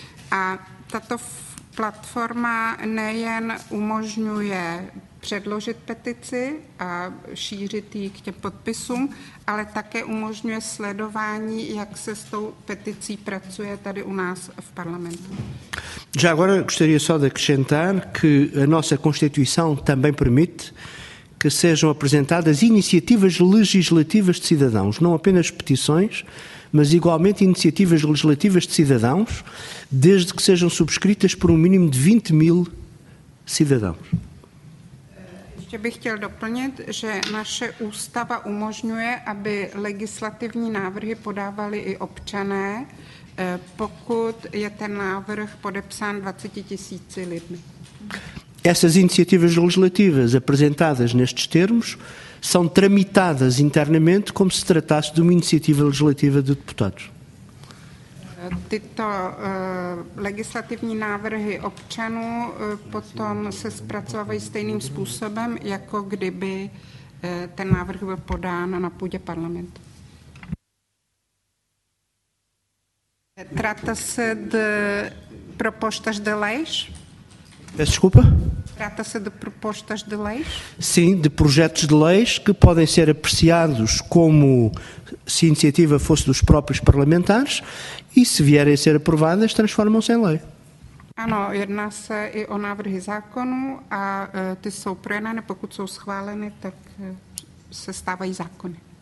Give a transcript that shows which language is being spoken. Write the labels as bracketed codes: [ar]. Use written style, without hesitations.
[cs] A tato platforma nejen umožňuje předložit petici a šířit ji k těm podpisům, ale také umožňuje sledování, jak se s tou peticí pracuje tady u nás v parlamentu. [pt] Já agora gostaria só de acrescentar que a nossa Constituição também permite que sejam apresentadas iniciativas legislativas de cidadãos, não apenas petições, mas igualmente iniciativas legislativas de cidadãos, desde que sejam subscritas por um mínimo de 20 mil cidadãos. [cs] Ještě bych chtěl doplnit, že naše ústava umožňuje, aby legislativní návrhy podávali i občané, pokud je ten návrh podepsán 20 tisíci lidmi. [pt] Essas iniciativas legislativas apresentadas nestes termos são tramitadas internamente como se tratasse de uma iniciativa legislativa de deputados. [cs] Tyto legislativní návrhy občanů potom se zpracovávají stejným způsobem, jako kdyby ten návrh byl podán na půdě parlamentu. [pt] Trata se de propostas de leis? Desculpa? Trata-se de propostas de leis? Sim, de projetos de leis que podem ser apreciados como se a iniciativa fosse dos próprios parlamentares e se vierem a ser aprovadas, transformam-se em lei. [cs] Ano, jedná-se i o návrhy zákonů a ty jsou projednány, pokud jsou schváleny, tak se stávají zákony.